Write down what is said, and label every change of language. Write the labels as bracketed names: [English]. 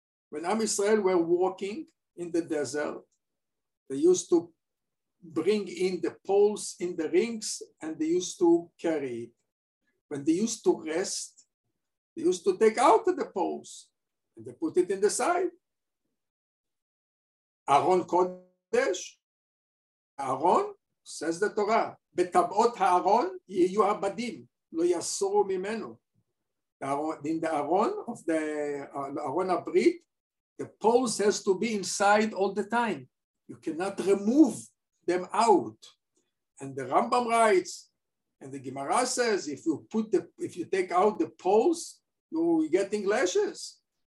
[English] When Am Yisrael were walking in the desert, they used to bring in the poles in the rings and they used to carry it. When they used to rest, they used to take out the poles and they put it in the side. [Hebrew] Aron Kodesh, Aron, [English] says the Torah, [Hebrew] בטבעות הארון יהיו הבדים, לא יסורו ממנו. [English] In the Aron of the Aron Abrit, the poles has to be inside all the time. You cannot remove them out. And the Rambam writes, and the Gemara says, if you take out the poles, you're getting lashes.